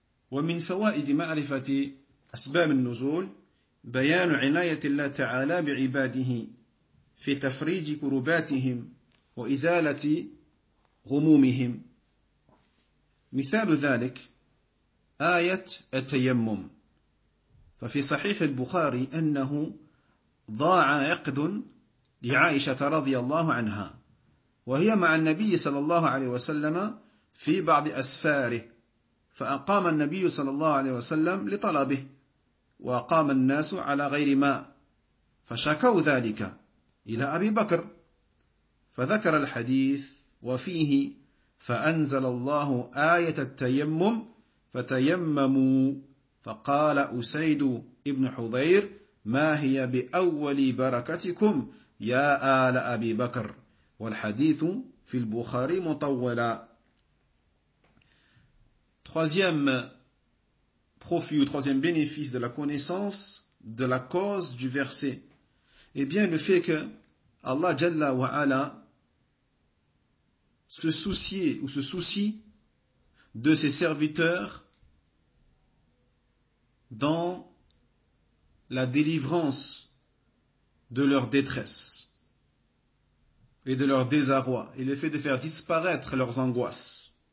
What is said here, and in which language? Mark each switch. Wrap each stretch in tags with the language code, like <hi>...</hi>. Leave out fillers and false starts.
<ar>Wa min fawaid ma'rifati asbab an-nuzul bayan 'inayati Allah ta'ala bi'ibadihi fi tafrij kurubatihim wa izalati ghumumihim. Mithal dhalik آية التيمم. ففي صحيح البخاري أنه ضاع عقد لعائشة رضي الله عنها وهي مع النبي صلى الله عليه وسلم في بعض أسفاره، فأقام النبي صلى الله عليه وسلم لطلبه وأقام الناس على غير ماء، فشكوا ذلك إلى أبي بكر فذكر الحديث وفيه فأنزل الله آية التيمم فتيمموا فقال أسيد ابن حضير ما هي بأول بركتكم يا آل أبي بكر والحديث في البخاري مطولا.</ar> <fr>Troisième profit ou troisième bénéfice de la connaissance de la cause du verset, eh bien le fait que Allah Jalla wa Ala se soucie ou se soucie de ses serviteurs dans la délivrance de leur détresse et de leur désarroi, et le fait de faire disparaître leurs angoisses.</fr>